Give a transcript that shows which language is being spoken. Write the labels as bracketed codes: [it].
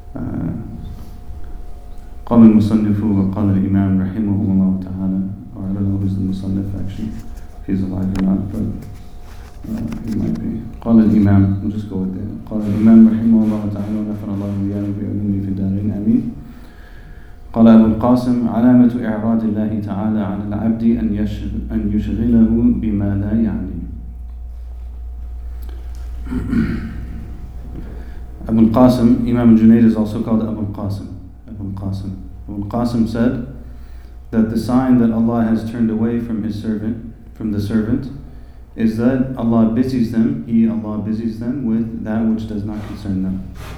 [ar] قَالَ الْمُصَنِّفُ وَقَالَ الْإِمَامُ رَحِمُهُ اللَّهُ تَعَالَى. [en] Or I don't know who's the Musannif actually, if he's alive or not, but he might be. [ar] قَالَ الْإِمَامُ, [en] we'll just go with that. [ar] قَالَ الْإِمَامُ رَحِمُهُ اللَّهُ تَعَالَى وَنَفَرَ اللَّهُ لِيَانُ بِعُلُمِّي فِي الدَّارِينَ أَمِينَ. قال أبو القاسم علامة إعراض الله تعالى عن العبد أن يشغله بما لا يعني. [en] Abu al-Qasim, Imam al-Junayd is also called Abu al-Qasim. Abu al-Qasim. Abu al-Qasim said that the sign that Allah has turned away from his servant, from the servant, is that Allah busies them, he Allah busies them with that which does not concern them.